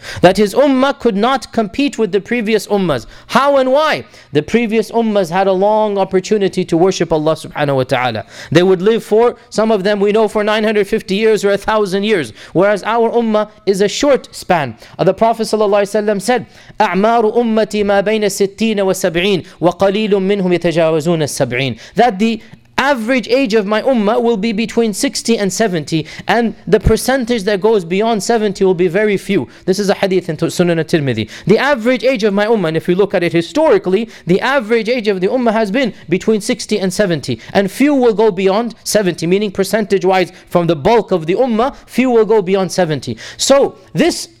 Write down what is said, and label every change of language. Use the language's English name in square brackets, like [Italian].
[English] That his ummah could not compete with the previous ummahs. How and why? The previous ummahs had a long opportunity to worship Allah subhanahu wa ta'ala. They would live for, some of them we know, for 950 years or 1,000 years. Whereas our ummah is a short span. [Arabic] The Prophet sallallahu alayhi wa sallam said, أَعْمَارُ أُمَّتِي مَا بَيْنَ سِتِّينَ وَسَبْعِينَ وَقَلِيلٌ مِّنْهُمْ يَتَجَاوَزُونَ السَّبْعِينَ. [English] That the average age of my ummah will be between 60 and 70, and the percentage that goes beyond 70 will be very few. This is a hadith in Sunan al-Tirmidhi. The average age of my ummah, and if you look at it historically, the average age of the ummah has been between 60 and 70, and few will go beyond 70, meaning percentage-wise from the bulk of the ummah, few will go beyond 70. So this